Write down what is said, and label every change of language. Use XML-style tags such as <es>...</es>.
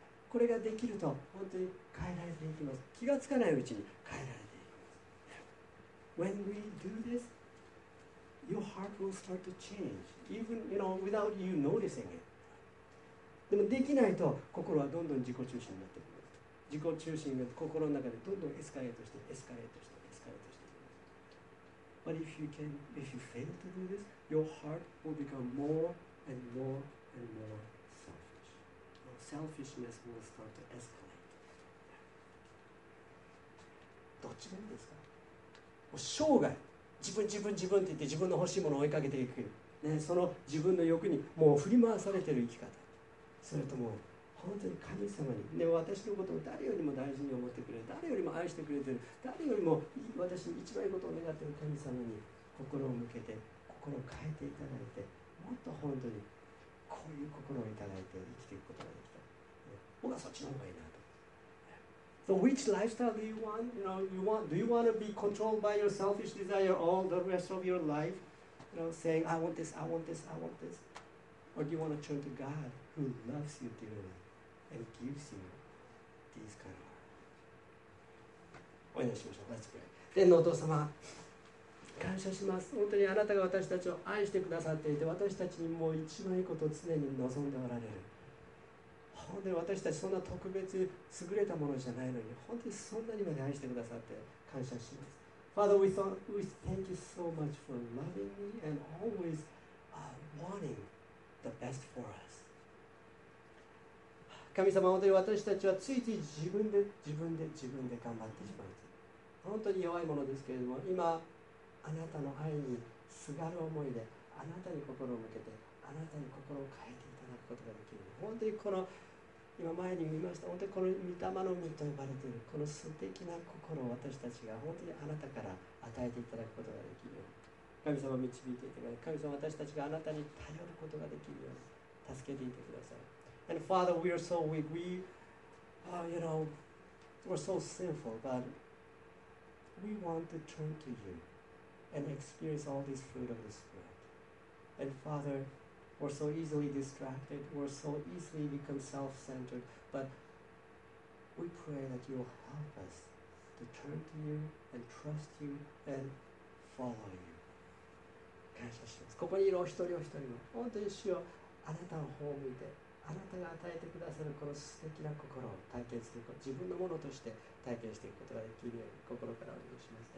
<ja>これができると本当に変えられていきます。気がつかないうちに変えられていきます。</ja> <en>When we do this, your heart will start to change, even you know, without you noticing it.</en> <ja>でもできないと心はどんどん自己中心になっていきます。自己中心が心の中でどんどんエスカレートして、エスカレートして、エスカレートして。</ja> <en>But if you fail to do this, your heart will become more and more and more selfish. Your selfishness will start to escalate.</en> <ja>どっちがいいですか？もう生涯、自分自分自分って言って自分の欲しいものを追いかけていく、ね、その自分の欲にもう振り回されている生き方、それとも本当に神様に、ね、私のことを誰よりも大事に思ってくれる、誰よりも愛してくれてる、誰よりも私に一番いいことを願っている神様に心を向けて、心を変えていただいて、もっと本当にこういう心をいただいて生きていくことができた、僕はそっちの方がいいなと。</ja> <en>So which lifestyle do you want? You know, you want, do you want to be controlled by your selfish desire all the rest of your life? You know, saying, I want this, I want this, I want this. Or do you want to turn to God who loves you dearlyAnd gives you these kind of words.</en> <ja>お祈りしましょう。</ja> <en>Let's pray.</en> <ja>天のお父様、感謝します。本当にあなたが私たちを愛してくださっていて、私たちにもう一番いいことを常に望んでおられる。本当に私たちそんな特別優れたものじゃないのに、本当にそんなにまで愛してくださって感謝します。</ja> <en>Father, we thank you so much for loving me and always wanting the best for us.</en> <ja>神様、本当に私たちはついつい自分で自分で自分で頑張ってしまう、本当に弱いものですけれども、今あなたの愛にすがる思いであなたに心を向けて、あなたに心を変えていただくことができる、本当にこの今前に見ました。本当にこの御霊の実と呼ばれているこの素敵な心を私たちが本当にあなたから与えていただくことができるように神様導いていてください。神様、私たちがあなたに頼ることができるように助けていてください。</ja> <en>And Father, we are so weak. We, you know, we're so sinful, but we want to turn to you and experience all this fruit of the Spirit. And Father, we're so easily distracted. We're so easily become self-centered. But we pray that you'll help us to turn to you and trust you and follow you.</en> <ja>感謝します。ここにいるお一人お一人も本当に主よ、あなたの方を向いて、あなたが与えてくださるこの素敵な心を体験すること、自分のものとして体験していくことができるように心からお願いします。</ja>